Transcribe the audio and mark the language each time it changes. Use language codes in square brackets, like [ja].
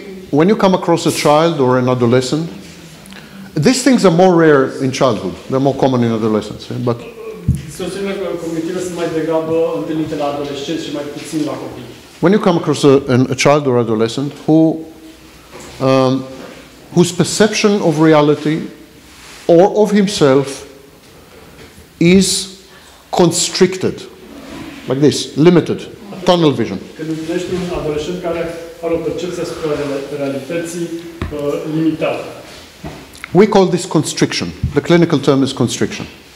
[en] When you come across a child or an adolescent, these things are more rare in childhood. They're more common in adolescence. Yeah? But [ro] distorsiunile cognitive sunt mai degrabă întâlnite la adolescenți și mai puțin la copii. [en] When you come across a child or adolescent whose perception of reality or of himself is constricted, like this, limited, tunnel vision. [ro] Când întâlnești un adolescent care are o percepție asupra realității limitată. [en] We call this constriction. The clinical term is constriction.